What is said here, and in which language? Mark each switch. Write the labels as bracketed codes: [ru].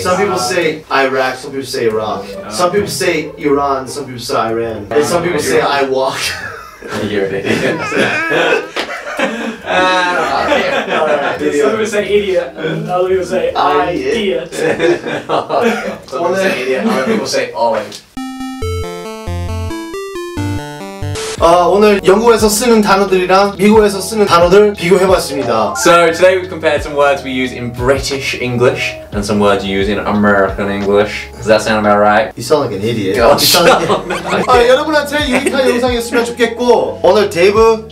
[en] Some people say Iraq, some people say Iraq. Oh. Some people say Iran, some people say Iran. And some people say I walk. You're an idiot. Idiot. Some people say idiot, other people say idea. Some people say idiot, other people say olive. [ko] 오늘 영국에서 쓰는 단어들이랑 미국에서 쓰는 단어들 비교해봤습니다. [en] So today we've compared some words we use in British English and some words you use in American English. Does that sound about right? You sound like an idiot. You sound like an idiot. [ko] 여러분한테 유익한 영상이었으면 좋겠고 오늘 데이브